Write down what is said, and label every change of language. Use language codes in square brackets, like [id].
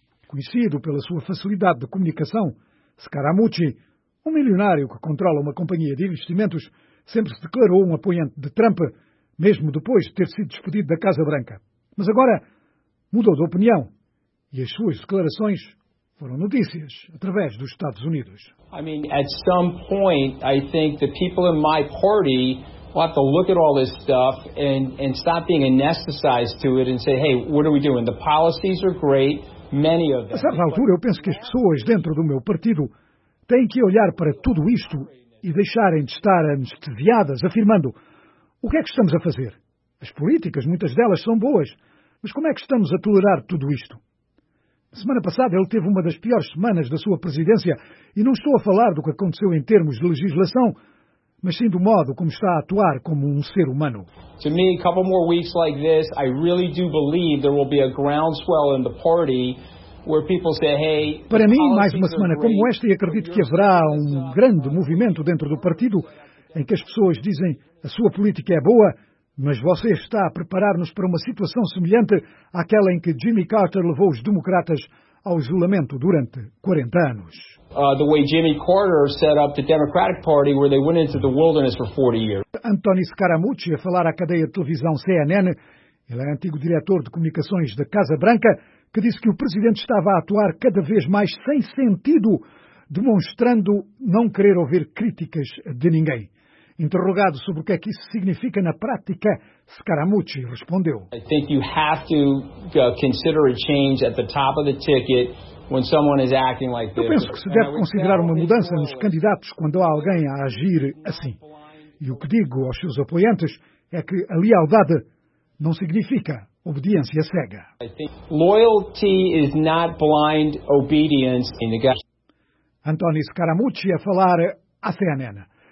[pt] Conhecido pela sua facilidade de comunicação, Scaramucci, um milionário que controla uma companhia de investimentos, sempre se declarou um apoiante de Trump, mesmo depois de ter sido despedido da Casa Branca. Mas agora mudou de opinião. E as suas declarações foram notícias através dos Estados Unidos. [en] I mean, at some point, I think the people in my party will have to look at all this stuff and stop being anesthetized to it and say, hey, what are we doing? The policies are great, many of them. [pt] A certa altura, eu penso que as pessoas dentro do meu partido têm que olhar para tudo isto e deixarem de estar anestesiadas, afirmando: o que é que estamos a fazer? As políticas, muitas delas, são boas, mas como é que estamos a tolerar tudo isto? Semana passada ele teve uma das piores semanas da sua presidência e não estou a falar do que aconteceu em termos de legislação, mas sim do modo como está a atuar como um ser humano. [en] To me, a couple more weeks like this, I really do believe there will be a groundswell in the party where people say, hey. [pt] Para mim, mais uma semana como esta e acredito que haverá um grande movimento dentro do partido em que as pessoas dizem a sua política é boa. Mas você está a preparar-nos para uma situação semelhante àquela em que Jimmy Carter levou os democratas ao isolamento durante 40 anos. [en] The way Jimmy Carter set up the Democratic Party where they went into the wilderness for 40 years. [pt] Anthony Scaramucci a falar à cadeia de televisão CNN, ele é antigo diretor de comunicações da Casa Branca, que disse que o presidente estava a atuar cada vez mais sem sentido, demonstrando não querer ouvir críticas de ninguém. Interrogado sobre o que é que isso significa na prática, Scaramucci respondeu: [en] I think you have to consider a change at the top of the ticket. [pt] Eu penso que se deve considerar uma mudança nos candidatos quando há alguém a agir assim. E o que digo aos seus apoiantes é que a lealdade não significa obediência cega. António Scaramucci a falar à CNN.